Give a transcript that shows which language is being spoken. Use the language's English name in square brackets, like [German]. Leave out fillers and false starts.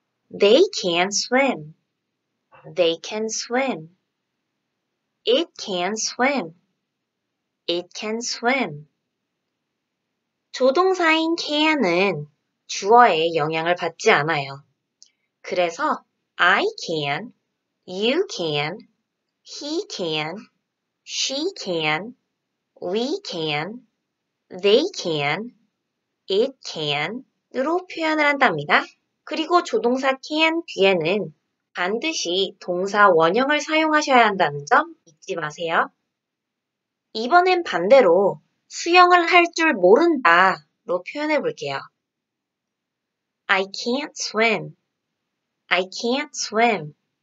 [English] They can swim. They can swim. It can swim. It can swim. [Korean] 조동사인 can은 주어에 영향을 받지 않아요. 그래서 [English] I can, you can, he can, she can, we can, they can, it can [Korean] 으로 표현을 한답니다. 그리고 조동사 can 뒤에는 반드시 동사 원형을 사용하셔야 한다는 점 잊지 마세요. 이번엔 반대로 수영을 할줄 모른다로 표현해 볼게요. [English] I can't swim. I can't swim.